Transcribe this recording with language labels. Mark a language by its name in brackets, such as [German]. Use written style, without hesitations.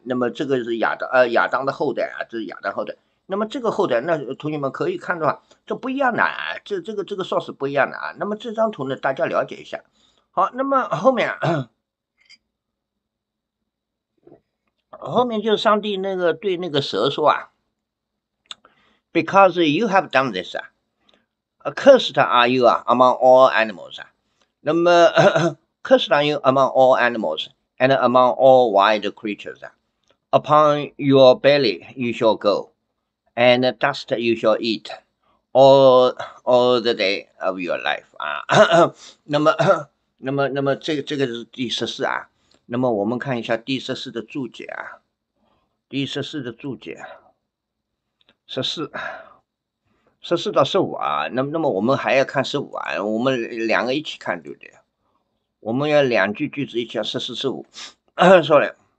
[Chinese] 那么这个是亚当的后代啊，这是亚当后代。那么这个后代，那同学们可以看到啊，这不一样的啊，这个 source 不一样的啊。那么这张图呢，大家了解一下。好，那么后面就是上帝那个对那个蛇说啊。 [English] Because you have done this, cursed are you among all animals. [Chinese] 那么 [English] cursed are you among all animals and among all wild creatures. Upon your belly you shall go, and dust you shall eat all the day of your life. [Chinese] 那么这个是第十四啊。那么我们看一下第十四的注解啊，第十四的注解，十四。十四到十五啊，那么我们还要看十五啊，我们两个一起看，对不对？我们要两句句子一起啊，十四十五，说嘞。